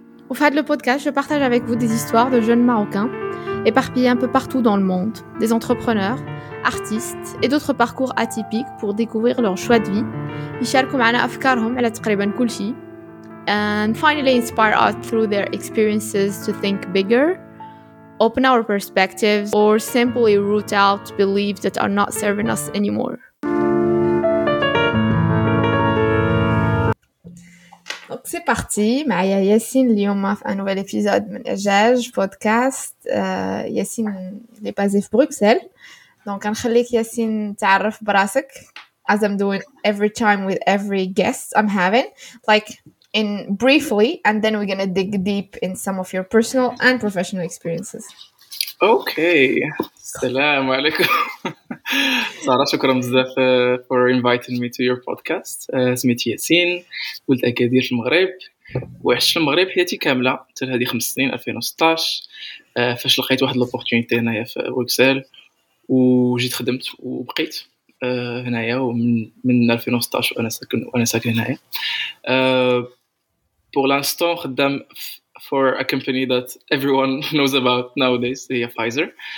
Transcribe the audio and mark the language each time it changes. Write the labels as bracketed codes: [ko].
[fr] Au fait, le podcast, je partage avec vous des histoires de jeunes Marocains éparpillés un peu partout dans le monde, des entrepreneurs, artistes et d'autres parcours atypiques pour découvrir leur choix de vie. Ils [ar] شاركوا معنا أفكارهم على تقريبا كل شيء. [en] And finally inspire us through their experiences to think bigger, open our perspectives, or simply root out beliefs that are not serving us anymore. [fr] Donc c'est parti, [ar] معايا ياسين اليوم في [fr] un nouvel épisode [ar] من إجاج [fr] podcast. [ar] ياسين [fr] est basé [ar] في [en] Bruxelles. [fr] Donc [ar] نخليك ياسين تعرف براسك, [en] as I'm doing every time with every guest I'm having, like in briefly, and then we're gonna dig deep in some of your personal and professional experiences. [ar] Okay. Salam alaikum. [en] Sara, [ar] shukram bzaf [en] for inviting me to your podcast. [ar] Smiti Yassin, قلت أكادير في المغرب. وعشت في المغرب حياتي كاملة حتى هذه 5 سنين 2016. فاش لقيت واحد الأوبورتونيتي هنايا في بروكسل وجيت خدمت وبقيت هنايا ومن 2016 وأنا ساكن هنايا. [fr] Pour l'instant, [ar] خدام [en] for a company that everyone knows about nowadays, the Pfizer.